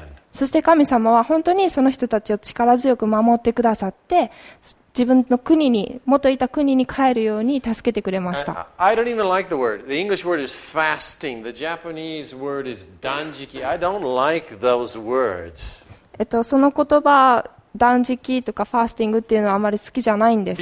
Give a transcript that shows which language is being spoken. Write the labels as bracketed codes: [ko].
[ja] そして神様は本当にその人たちを力強く守ってくださって、自分の国に、元いた国に帰るように助けてくれました。 [en] I don't even like the word. The English word is fasting. The Japanese word is danjiki. I don't like those words. [ja] その言葉、断食とかファースティングっていうのはあまり好きじゃないんです。